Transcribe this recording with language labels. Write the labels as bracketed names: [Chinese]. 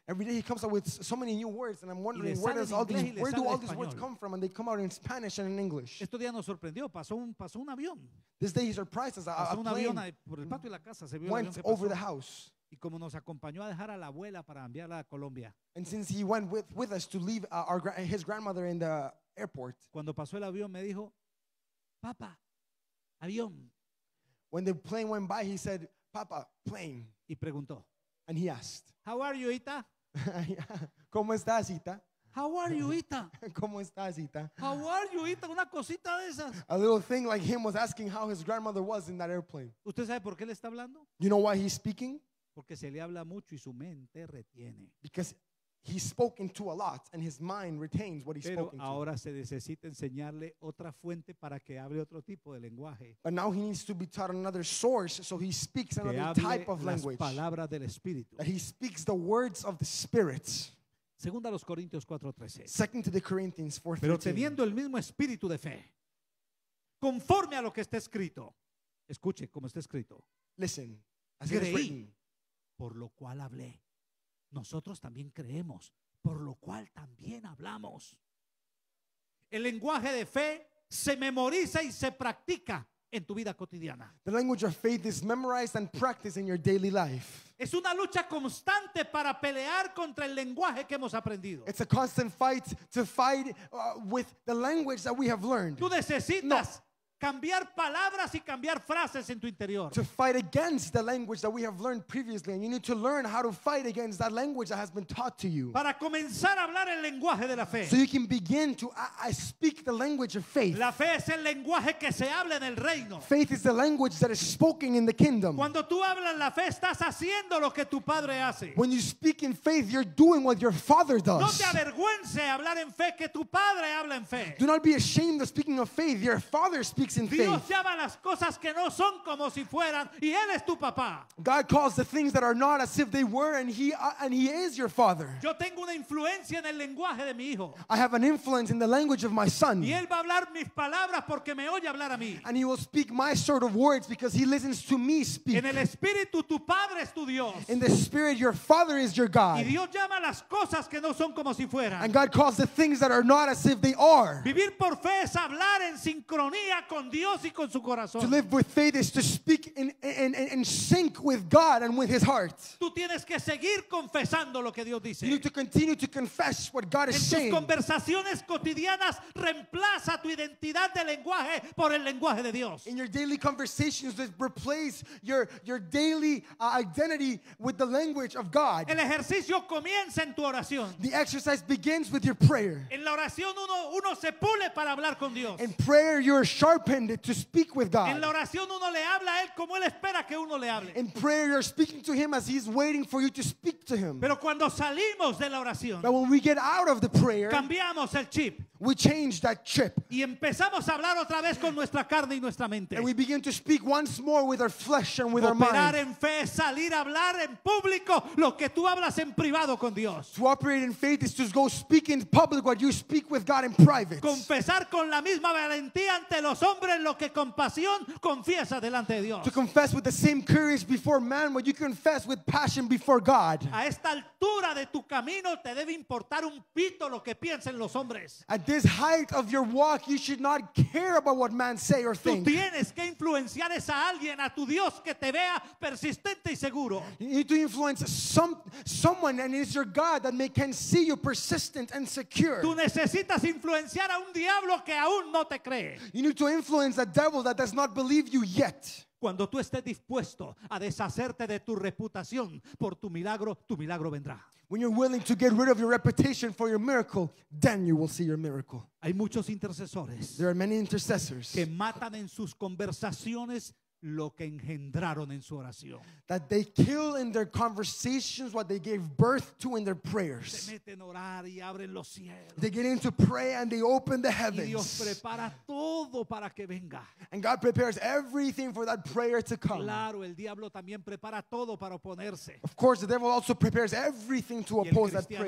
[English] Every day he comes up with so many new words, and I'm wondering where does all these where do all these words come from, and they come out in Spanish and in English. [Spanish] Este día nos sorprendió. Pasó un avión. [English] This day he surprised us. [Spanish] Pasó un avión [English] plane [Spanish] por el patio de la casa. Se vio [English] went [Spanish] que [English] over the house. [Spanish] Y como nos acompañó a dejar a la abuela para enviarla a Colombia. [English] And since he went with us to leave his grandmother in the airport. [Spanish] Cuando pasó el avión me dijo, papá, avión. [English] When the plane went by, he said, Papa, plane. [Spanish] Y preguntó. [English] And he asked. How are you, Ita? [Spanish] ¿Cómo estás, Ita? [English] How are you, Ita? [Spanish] ¿Cómo estás, Ita? [English] How are you, Ita? [Spanish] Una cosita de esas. [English] A little thing like him was asking how his grandmother was in that airplane. [Spanish] ¿Usted sabe por qué le está hablando? [English] You know why he's speaking? [Spanish] Porque se le habla mucho y su mente retiene. [English] Because He's spoken to a lot, and his mind retains what he's spoken to. [Spanish] Ahora se necesita enseñarle otra fuente para que hable otro tipo de lenguaje. [English] But now he needs to be taught another source, so he speaks another type of language. [Spanish] Palabras del Espíritu. [English] That he speaks the words of the Spirit. [Spanish] Segunda a los Corintios 4:13. [English] Second to the Corinthians 4:13. [Spanish] Pero teniendo el mismo espíritu de fe, conforme a lo que está escrito. Escuche cómo está escrito. [English] Listen, as [Spanish] creí, [English] it is written. [Spanish] Por lo cual hablé. Nosotros también creemos, por lo cual también hablamos. El lenguaje de fe se memoriza y se practica en tu vida cotidiana. [English] The language of faith is memorized and practiced in your daily life. [Spanish] Es una lucha constante para pelear contra el lenguaje que hemos aprendido. [English] It's a constant fight to fight with the language that we have learned. [Spanish] Tú necesitas cambiar palabras y cambiar frases en tu interior. [English] To fight against the language that we have learned previously, and you need to learn how to fight against that language that has been taught to you. [Spanish] Para comenzar a hablar el lenguaje de la fe. [English] So you can begin to speak the language of faith. [Spanish] La fe es el lenguaje que se habla en el reino. [English] Faith is the language that is spoken in the kingdom. [Spanish] Cuando tú hablas la fe, estás haciendo lo que tu padre hace. [English] When you speak in faith, you're doing what your father does. [Spanish] No te avergüences hablar en fe que tu padre habla en fe. [English] Do not be ashamed of speaking of faith. Your father speaks. [Spanish] Dios llama las cosas que no son como si fueran, y él es tu papá. [English] God calls the things that are not as if they were, and he is your father. [Spanish] Yo tengo una influencia en el lenguaje de mi hijo. [English] I have an influence in the language of my son. [Spanish] Y él va a hablar mis palabras porque me oye hablar a mí. [English] And he will speak my sort of words because he listens to me speak. [Spanish] En el espíritu tu padre es tu Dios. [English] In the spirit your father is your God. [Spanish] Y Dios llama las cosas que no son como si fueran. [English] And God calls the things that are not as if they are. [Spanish] Vivir por fe es hablar en sincronía con Dios y con su corazón. [English] To live with faith is to speak in sync with God and with his heart. [Spanish] Tú tienes que seguir confesando lo que Dios dice. [English] You need to continue to confess what God is saying. [Spanish] En tus conversaciones cotidianas, reemplaza tu identidad de lenguaje por el lenguaje de Dios. [English] In your daily conversations, replace your daily identity with the language of God. [Spanish] El ejercicio comienza en tu oración. [English] The exercise begins with your prayer. [Spanish] En la oración uno se pule para hablar con Dios. [English] In prayer you're sharpened to speak with God. [Spanish] En la oración uno le habla a él como él espera que uno le hable. [English] In prayer you're speaking to him as he's waiting for you to speak to him. [Spanish] Pero cuando salimos de la oración, [English] but when we get out of the prayer, [Spanish] cambiamos el chip. [English] We change that chip. [Spanish] Y empezamos a hablar otra vez con nuestra carne y nuestra mente. [English] And we begin to speak once more with our flesh and with [Spanish] operar [English] our mind. [Spanish] Operar en fe es salir a hablar en público lo que tú hablas en privado con Dios. [English] To operate in faith is to go speak in public what you speak with God in private. [Spanish] Confesar con la misma valentía ante los hombres lo que con pasión confiesa delante de Dios. [English] To confess with the same courage before man what you confess with passion before God. [Spanish] A esta altura de tu camino te debe importar un pito lo que piensen los hombres. [English] At this height of your walk you should not care about what man say or think. [Spanish] Tú tienes que influenciar a alguien, a tu Dios, que te vea persistente y seguro. [English] You need to influence someone, and it's your God that can see you persistent and secure. [Spanish] Tú necesitas influenciar a un diablo que aún no te cree. [English] You need to influence a devil that does not believe you yet. [Spanish] Cuando tú estés dispuesto a deshacerte de tu reputación por tu milagro vendrá. [English] When you're willing to get rid of your reputation for your miracle, then you will see your miracle. [Spanish] Hay muchos intercesores. [English] There are many intercessors [Spanish] que matan en sus conversaciones lo que engendraron en su oración. [English] That they kill in their conversations what they gave birth to in their prayers. [Spanish] Se meten a orar y abren los cielos. [English] They get into prayer and they open the heavens. [Spanish] Y Dios prepara todo para que venga. [English] And God prepares everything for that prayer to come. [Spanish] Claro, el diablo también prepara todo para oponerse. [English] Of course, the devil also prepares everything to oppose that prayer.